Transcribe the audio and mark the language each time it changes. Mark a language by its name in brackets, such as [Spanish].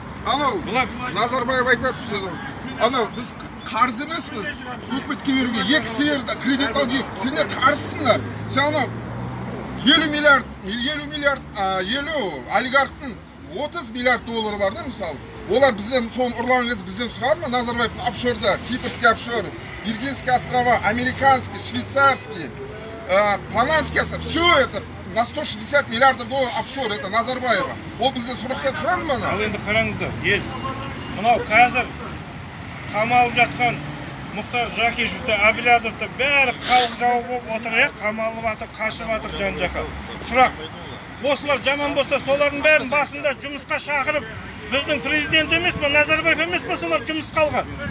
[Kazakh] Анау, Назарбаев айтады сөзін. Анау, біз қарыз емеспіз. Үкіметке беруге екі сиыр кредит алды. Сендер қарызсыңдар. Сен анау 50 олигархтың 30 миллиард доллары бар да мысалы. Олар бізден соны ұрлаған кезде бізден сұрар ма? Назарбаевтың офшорда, [Russian] Кипрский офшор, Виргинские острова, Американский, Швейцарский, Панамский остров, все это на 160 миллиардов долларов офшор, это Назарбаева. [Kazakh] Ол бізден сұрақсат сұрады ма? Ал енді қараңыздар, ел. Мынау қазір қамалып жатқан Мұхтар Жакешевті, Әбілязовты бәрі қалып жауап болып отыр, иә, қамалып жатыр, қашып жатыр жан жаққа. Сұрақ. Осылар жаман болса, солардың бәрін басында жұмысқа шақырып, біздің президент емес пе, Назарбаев емес пе, солар жұмысқа алған.